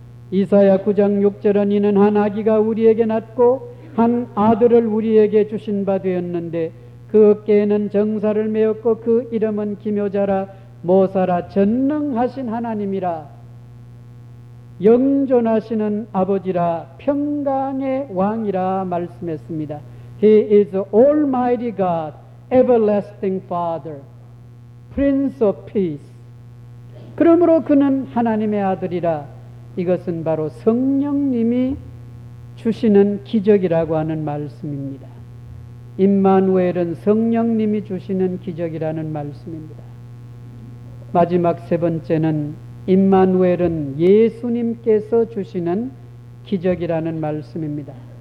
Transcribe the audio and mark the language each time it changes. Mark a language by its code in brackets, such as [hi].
[ko] 이사야 9장 6절은 이는 한 아기가 우리에게 낳고 한 아들을 우리에게 주신 바 되었는데 그 어깨에는 정사를 메었고 그 이름은 기묘자라 모사라 전능하신 하나님이라 영존하시는 아버지라 평강의 왕이라 말씀했습니다. [en] He is Almighty God, Everlasting Father, Prince of Peace. [ko] 그러므로 그는 하나님의 아들이라 이것은 바로 성령님이 주시는 기적이라고 하는 말씀입니다. 임마누엘은 성령님이 주시는 기적이라는 말씀입니다. 마지막 세 번째는 임마누엘은 예수님께서 주시는 기적이라는 말씀입니다.